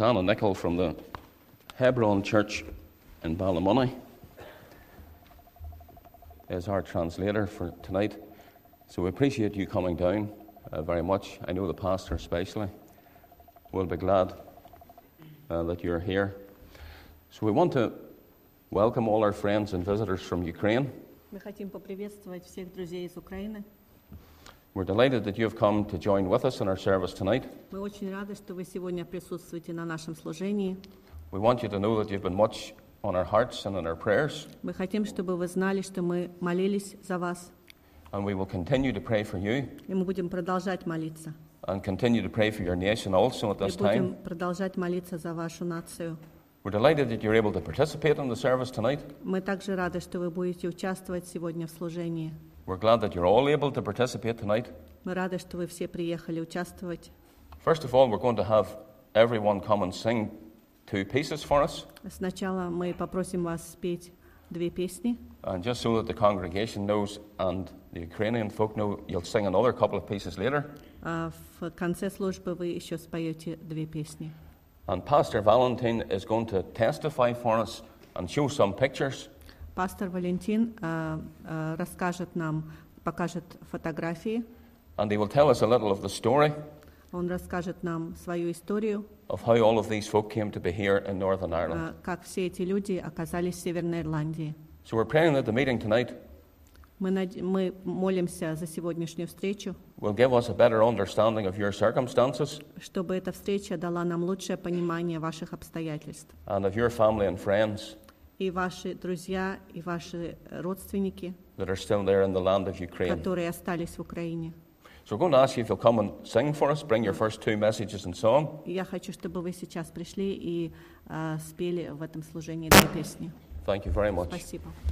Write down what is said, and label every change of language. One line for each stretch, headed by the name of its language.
English: Anna Nicol from the Hebron Church in Ballymoney is our translator for tonight. So we appreciate you coming down very much. I know the pastor especially will be glad that you're here. So we want to welcome all our friends and visitors from Ukraine.
Russian: Мы хотим поприветствовать всех друзей из Украины.
English: We're delighted that you have come to join with us in our service tonight.
Russian: Мы очень рады, что вы сегодня присутствуете на нашем служении.
English: We want you to know that you've been much on our hearts and in our prayers.
Russian: Мы хотим, чтобы вы знали, что мы молились за вас.
English: And we will continue to pray for you.
Russian: И мы будем продолжать молиться.
English: And continue to pray for your nation also at this time.
Russian: И будем продолжать молиться за вашу нацию.
English: We're delighted that you're able to participate in the service tonight.
Russian: Мы также рады, что вы будете участвовать сегодня в служении.
English: We're glad that you're all able to participate tonight.
Russian: Мы рады, что вы все приехали участвовать.
English: First of all, we're going to have everyone come and sing two pieces for us.
Russian: Сначала мы попросим вас спеть две песни.
English: And just so that the congregation knows and the Ukrainian folk know, you'll sing another couple of pieces later.
Russian: В конце службы вы еще споете две песни.
English: And Pastor Valentin is going to testify for us and show some pictures.
Russian: Пастор Валентин расскажет нам, покажет фотографии.
English: And he will tell us a little of the story.
Russian: Он расскажет нам свою историю.
English: Of how all of these folk came to be here in Northern Ireland.
Russian: Как все эти люди оказались в Северной Ирландии.
English: So we're praying that the meeting tonight.
Russian: Мы молимся за сегодняшнюю встречу.
English: Will give us a better understanding of your circumstances.
Russian: Чтобы эта встреча дала нам лучшее понимание ваших обстоятельств.
English: And of your family and friends.
Russian: И ваши друзья, и ваши родственники,
English: that are still there in the land of Ukraine.
Russian: Которые остались в Украине.
English: So we're going to ask you if you'll come and sing for us, bring your first two messages in song.
Russian: Я хочу, чтобы вы сейчас пришли и спели в этом служении две песни.
English: Thank you very much.
Russian: Спасибо.